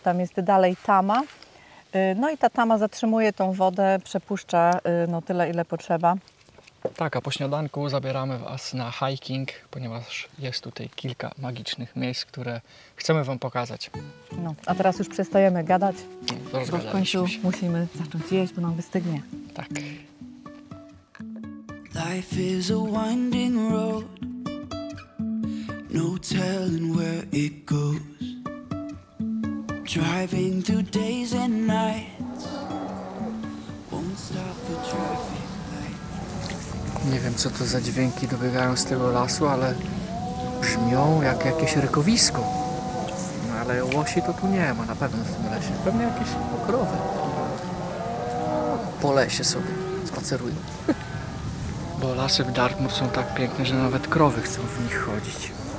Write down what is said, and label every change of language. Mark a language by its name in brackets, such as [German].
[Polish] Tam jest dalej tama. No i ta tama zatrzymuje tą wodę, przepuszcza no tyle, ile potrzeba. Tak, a po śniadanku zabieramy Was na hiking, ponieważ jest tutaj kilka magicznych miejsc, które chcemy Wam pokazać. No, a teraz już przestajemy gadać, bo w końcu musimy zacząć jeść, bo nam wystygnie. Tak. [English] Life is a winding road, no telling where it goes, driving through days and nights, won't stop the traffic. [Polish] Nie wiem, co to za dźwięki dobiegają z tego lasu, ale brzmią jak jakieś rykowisko. No ale łosi to tu nie ma, na pewno w tym lesie. Pewnie jakieś krowy. Po lesie sobie spacerują. Bo lasy w Dartmoor są tak piękne, że nawet krowy chcą w nich chodzić.